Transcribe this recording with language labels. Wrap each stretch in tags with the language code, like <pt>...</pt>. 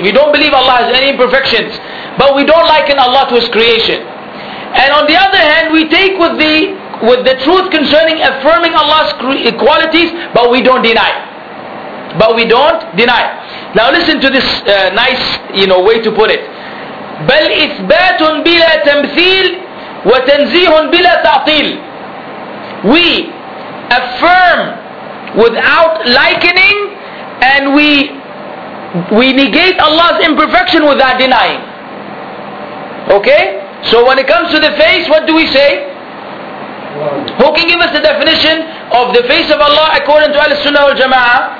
<en>We don't believe Allah has any imperfections, but we don't liken Allah to His creation. And on the other hand, we take with the truth concerning affirming Allah's qualities, but we don't deny. But we don't deny. Now listen to this nice, you know, way to put it.</en> <ar>بل إثبات بلا تمثيل وتنزيه بلا تعطيل.</ar> <en>We affirm without likening, and we negate Allah's imperfection without denying. Okay? So when it comes to the face, what do we say? Who can give us the definition of the face of Allah according to Al-Sunnah wal-Jama'ah?</en>